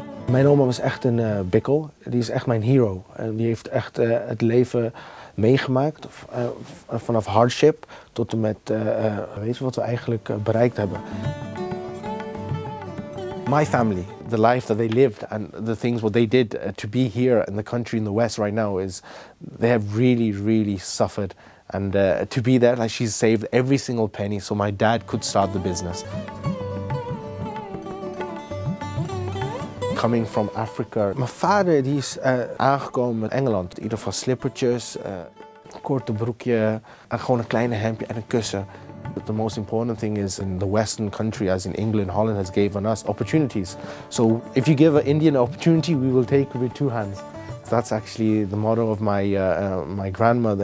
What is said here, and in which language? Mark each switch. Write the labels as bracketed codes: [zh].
[nl] Mijn oma was echt een bikkel. Die is echt mijn hero. En die heeft echt het leven meegemaakt. Vanaf [en] hardship [nl] tot en met weet je wat we eigenlijk bereikt hebben. [en] My family, the life that they lived and the things what they did to be here in the country in the West right now is they have really, really suffered. And to be there, like she's saved every single penny so my dad could start the business. Coming from Africa. [nl] Mijn vader die is aangekomen in Engeland. In ieder geval slippertjes, korte broekje en gewoon een kleine hemdje en een kussen. [en] But the most important thing is in the Western country, as in England, Holland has given us opportunities. So if you give an Indian opportunity, we will take it with two hands. That's actually the motto of my my grandmother.